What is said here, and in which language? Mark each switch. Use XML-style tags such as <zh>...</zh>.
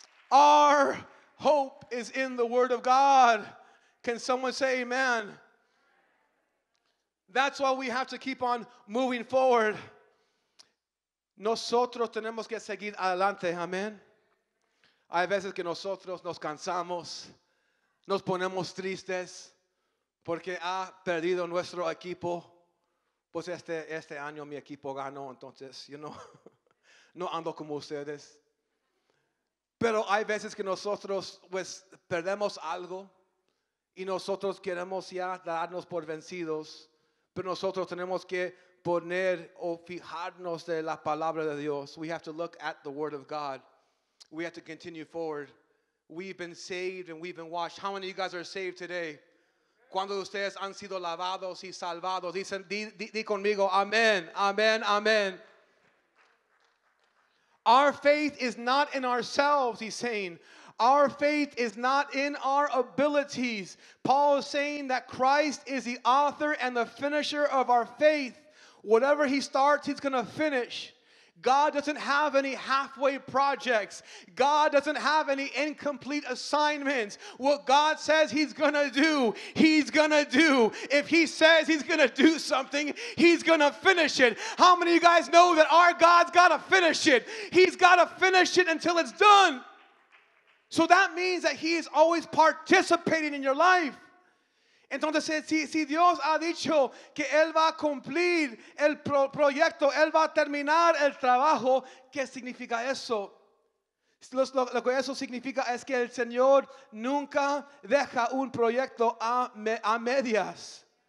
<en>Our hope is in the word of God. Can someone say amen? That's why we have to keep on moving forward.</en> <es>Nosotros tenemos que seguir adelante, amén. Hay veces que nosotros nos cansamos, nos ponemos tristes porque ha perdido nuestro equipo. Pues este año mi equipo ganó, entonces yo no ando como ustedes. Pero hay veces que nosotros pues perdemos algo y nosotros queremos ya darnos por vencidos. Pero nosotros tenemos que poner o fijarnos de la palabra de Dios.</es> <en>We have to look at the word of God. We have to continue forward. We've been saved and we've been washed. How many of you guys are saved today?</en> <es>¿Cuántos de ustedes han sido lavados y salvados? Dicen, di conmigo, amén, amén, amén.</es> <en>Our faith is not in ourselves, he's saying. Our faith is not in our abilities. Paul is saying that Christ is the author and the finisher of our faith. Whatever he starts, he's going to finish. God doesn't have any halfway projects. God doesn't have any incomplete assignments. What God says he's going to do, he's going to do. If he says he's going to do something, he's going to finish it. How many of you guys know that our God's got to finish it? He's got to finish it until it's done. So that means that he is always participating in your life.</en> <es>Entonces, si Dios ha dicho que Él va a cumplir el proyecto, Él va a terminar el trabajo, ¿qué significa eso? Lo que eso significa es que el Señor nunca deja un proyecto a medias.</es>